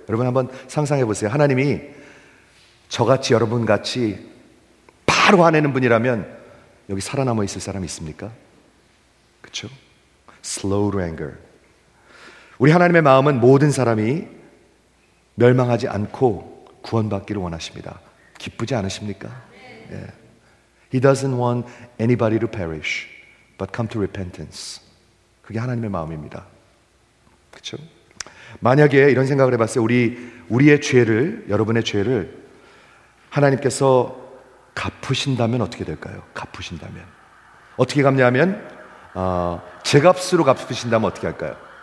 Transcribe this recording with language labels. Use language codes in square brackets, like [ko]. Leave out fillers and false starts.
[ko] 여러분 한번 상상해 보세요. 하나님이 저같이 여러분같이 바로 화내는 분이라면 여기 살아남아 있을 사람이 있습니까? 그렇죠? [en] slow to anger. [ko] 우리 하나님의 마음은 모든 사람이 멸망하지 않고 구원받기를 원하십니다. 기쁘지 않으십니까? [en] He doesn't want anybody to perish, but come to repentance. [ko] 그게 하나님의 마음입니다. 그렇죠? 만약에 이런 생각을 해봤어요. 우리의 죄를, 여러분의 죄를 하나님께서 갚으신다면 어떻게 될까요? 갚으신다면 어떻게 갚냐면 제값으로 갚으신다면 어떻게 할까요?